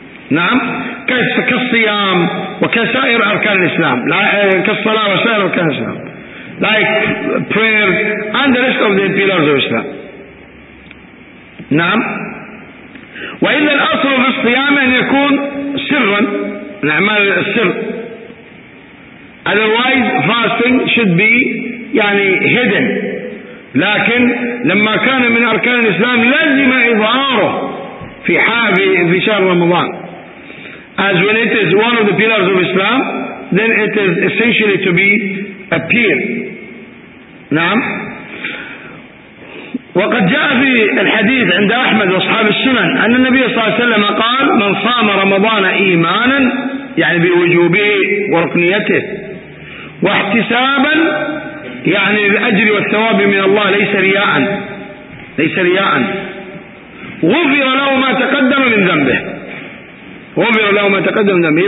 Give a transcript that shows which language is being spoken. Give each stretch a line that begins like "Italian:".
Arabic: نعم، كالصيام وكسائر أركان الإسلام، كالصلاة وسائر أركان الإسلام،
English: like prayer and the rest of the pillars of Islam.
Arabic: نعم، وإلا الأصل في الصيام أن يكون سرا، الأعمال السر.
English: Otherwise fasting should be
Arabic: يعني
English: hidden.
Arabic: لكن لما كان من أركان الإسلام لازم إظهاره في حال في شهر رمضان.
English: As when it is one of the pillars of Islam, then it is essentially to be appeared.
Arabic: نعم. وقد جاء في الحديث عند أحمد وأصحاب السنن أن النبي صلى الله عليه وسلم قال: من صام رمضان إيمانا يعني بوجوبه وركنيته واحتسابا يعني الأجر والثواب من الله ليس رياء ليس رياء غفر له ما تقدم من ذنبه غفر له ما تقدم من ذنبه.